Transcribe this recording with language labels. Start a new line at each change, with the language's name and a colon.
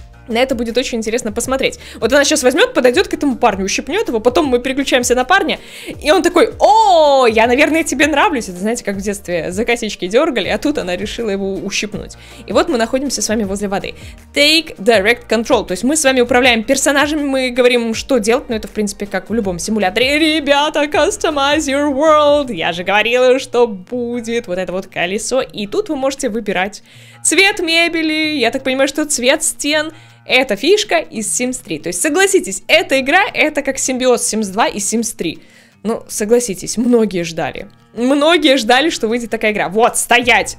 Russian: На это будет очень интересно посмотреть. Вот она сейчас возьмет, подойдет к этому парню, ущипнет его, потом мы переключаемся на парня, и он такой: о, я, наверное, тебе нравлюсь. Это, знаете, как в детстве за косички дергали, а тут она решила его ущипнуть. И вот мы находимся с вами возле воды.
English: Take direct control.
Russian: То есть мы с вами управляем персонажами, мы говорим, что делать, но это, в принципе, как в любом симуляторе. Ребята,
English: customize your world.
Russian: Я же говорила, что будет вот это вот колесо. И тут вы можете выбирать цвет мебели, я так понимаю, что цвет стен. Это фишка из Sims 3. То есть, согласитесь, эта игра, это как симбиоз Sims 2 и Sims 3. Ну, согласитесь, многие ждали. Многие ждали, что выйдет такая игра. Вот, стоять!